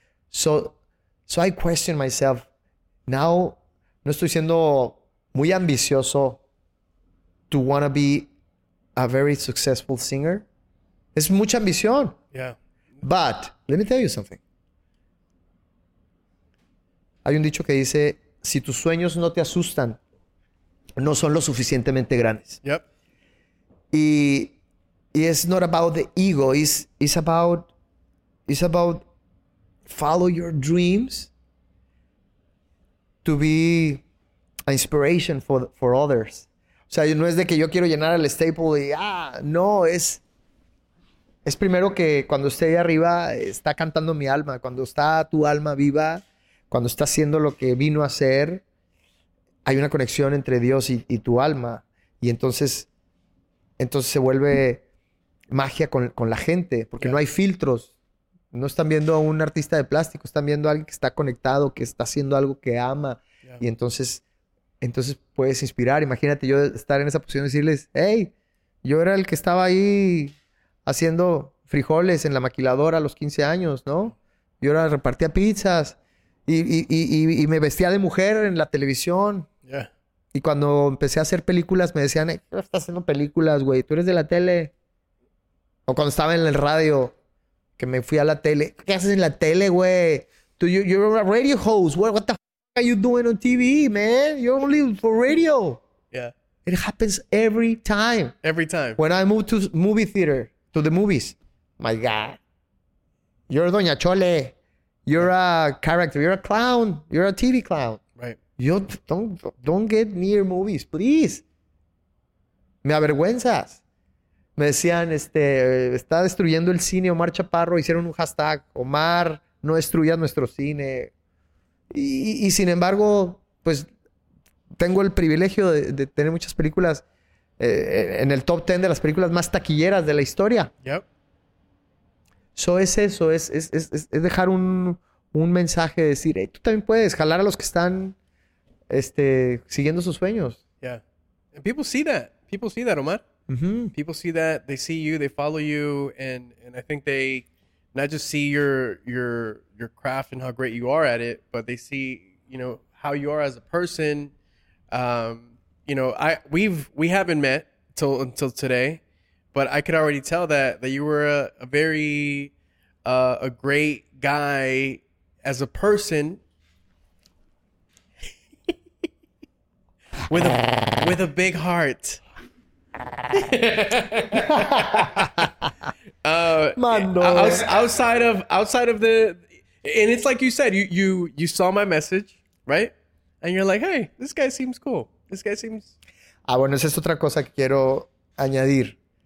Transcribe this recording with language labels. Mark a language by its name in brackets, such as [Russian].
[English] So I question myself, now [Spanish] no estoy siendo muy ambicioso [English] to want to be a very successful singer. [Spanish] Es mucha ambición. [English] Yeah. But let me tell you something. [Spanish] Hay un dicho que dice, si tus sueños no te asustan, no son lo suficientemente grandes. [English] Yep. Y it's not about the ego. It's about follow your dreams to be an inspiration for others. [Spanish] O sea, no es de que yo quiero llenar el Staples y no, es primero que cuando esté ahí arriba está cantando mi alma, cuando está tu alma viva, cuando está haciendo lo que vino a hacer, hay una conexión entre Dios y tu alma. Y entonces se vuelve magia con la gente, porque no hay filtros. No están viendo a un artista de plástico, están viendo a alguien que está conectado, que está haciendo algo que ama. Y entonces puedes inspirar. Imagínate yo estar en esa posición y decirles, hey, yo era el que estaba ahí haciendo frijoles en la maquiladora a los 15 años, ¿no? Yo era repartía pizzas y me vestía de mujer en la televisión. Y cuando empecé a hacer películas me decían, ¿qué estás haciendo películas, güey? ¿Tú eres de la tele? O cuando estaba en el radio, que me fui a la tele. ¿Qué haces en la tele, güey? [English] You're a radio host. What the fuck are you doing on TV, man? You're only for radio. Yeah. It happens every time. Every time. When I moved to movie theater, to the movies. My God. You're Doña Chole. You're a character. You're a clown. You're a TV clown. Right. You don't get near movies, please. [Spanish] Me avergüenzas. Me decían, está destruyendo el cine Omar Chaparro. Hicieron un hashtag, Omar, no destruyas nuestro cine. Y sin embargo, pues, tengo el privilegio de tener muchas películas en el top 10 de las películas más taquilleras de la historia. [English] Yep. [Spanish] Eso es eso, es dejar un mensaje de decir, hey, tú también puedes jalar a los que están siguiendo sus sueños. [English] Yeah. And people see that, Omar. Mm-hmm. People see that, they see you, they follow you, and I think they not just see your craft and how great you are at it, but they see, you know, how you are as a person. You know, we haven't met until today. But I could already tell that you were a very great guy as a person with a big heart. outside of the, and it's like you said, you saw my message, right? And you're like, hey, this guy seems cool. This guy seems. [Spanish] Ah, bueno, esa es otra cosa que quiero añadir.